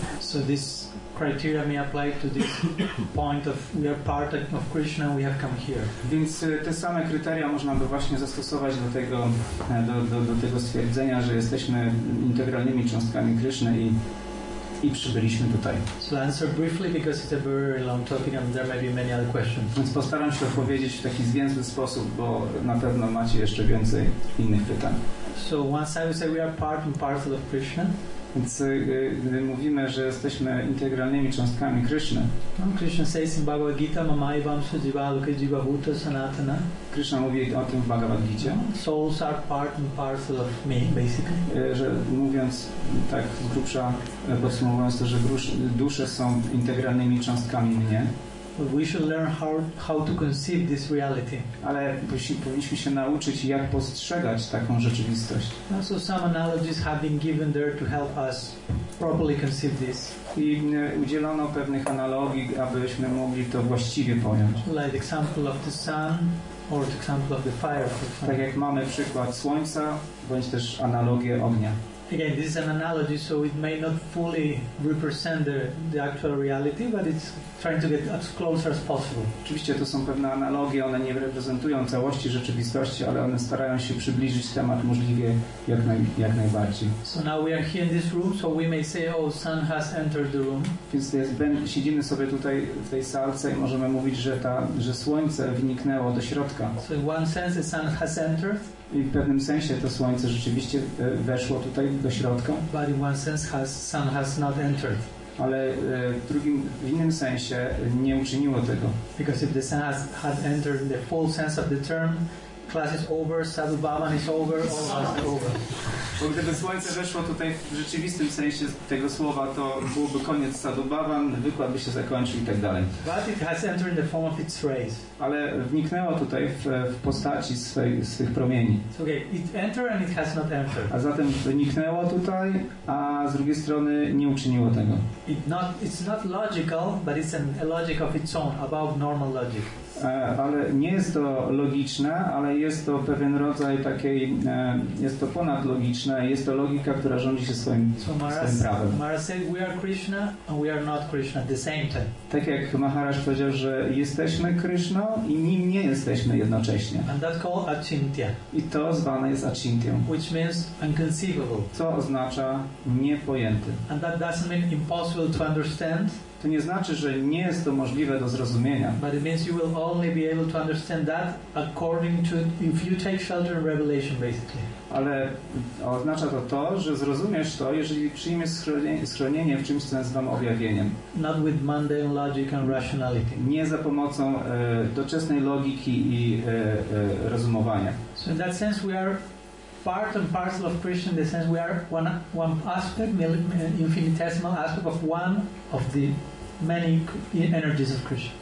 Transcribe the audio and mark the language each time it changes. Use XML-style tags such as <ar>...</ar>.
<en>So this criteria may apply to this point of we are part of Krishna, we have come here.</en> <pl>Więc te same kryteria można by właśnie zastosować do tego stwierdzenia, że jesteśmy integralnymi cząstkami Krishna i przybyliśmy tutaj.</pl> <en>So answer briefly because it's a very long topic and there may be many other questions.</en> <pl>Więc postaram się odpowiedzieć w taki zwięzły sposób, bo na pewno macie jeszcze więcej innych pytań.</pl> <en>So one side we say we are part and parcel of Krishna.</en> <pl>Więc gdy mówimy, że jesteśmy integralnymi cząstkami Krishna.</pl> <en>Krishna says in Bhagavad Gita,</en> <sa>mamaivamsa jivaloka jivabhuta sanatana.</sa> <pl>Krishna mówi o tym w Bhagavad Gita.</pl> <en>Souls are part and parcel of me, basically.</en> <pl>Że mówiąc tak z grubsza, podsumowując to, że dusze są integralnymi cząstkami mnie.</pl> <en>We should learn how to conceive this reality.</en> <pl>Ale powinniśmy się nauczyć, jak postrzegać taką rzeczywistość.</pl> <en>So some analogies have been given there to help us properly conceive this.</en> <pl>I udzielono pewnych analogii, abyśmy mogli to właściwie pojąć.</pl> <en>Like example of the sun or the example of the fire.</en> <pl>Tak jak mamy przykład słońca, bądź też analogię ognia.</pl> <en>Again, this is an analogy, so it may not fully represent the actual reality, but it's trying to get as close as possible.</en> <pl>Oczywiście to są pewne analogie, one nie reprezentują całości rzeczywistości, ale one starają się przybliżyć temat możliwie jak najbardziej.</pl> <en>So now we are here in this room, so we may say, oh, sun has entered the room.</en> <pl>Więc siedzimy sobie tutaj w tej salce i możemy mówić, że słońce wyniknęło do środka.</pl> <en>So in one sense the sun has entered.</en> <pl>I w pewnym sensie to słońce rzeczywiście weszło tutaj do środka.</pl> <en>But in one sense sun has not entered.</en> <pl>Ale w innym sensie nie uczyniło tego.</pl> <en>Because if the sun had entered in the full sense of the term, class is over, sadhubhavan is over, all has over.</en> <pl>Bo gdyby słońce weszło tutaj w rzeczywistym sensie tego słowa, to byłby koniec sadhubhavan, wykład by się zakończył i tak dalej.</pl> <en>But it has entered in the form of its rays.</en> <pl>Ale wniknęło tutaj w postaci swych promieni.</pl> <en>So, okay, it entered and it has not entered.</en> <pl>A zatem wniknęło tutaj, a z drugiej strony nie uczyniło tego.</pl> <en>It's not logical, but it's a logic of its own, above normal logic.</en> <pl>Ale nie jest to logiczne, ale jest to pewien rodzaj takiej, jest to ponadlogiczne, jest to logika, która rządzi się swoim prawem.</pl> <en>Mara said, we are Krishna and we are not Krishna at the same time.</en> <pl>Tak jak Maharaj powiedział, że jesteśmy Krishna i nim nie jesteśmy jednocześnie.</pl> <en>And that's called achintya.</en> <pl>I to zwane jest achintya.</pl> <en>Which means inconceivable.</en> <pl>Co oznacza niepojęty.</pl> <en>And that doesn't mean impossible to understand.</en> <pl>To nie znaczy, że nie jest to możliwe do zrozumienia.</pl> <en>But it means you will only be able to understand that according to if you take shelter in revelation, basically.</en> <pl>Ale oznacza to, że zrozumiesz to, jeżeli przyjmiesz schronienie w czymś, co nazywam objawieniem.</pl> <en>Not with mundane logic and rationality.</en> <pl>Nie za pomocą doczesnej logiki i rozumowania.</pl> <en>So in that sense we are part and parcel of Krishna, in the sense we are one aspect, infinitesimal aspect of one of the many energies of Krishna.</en>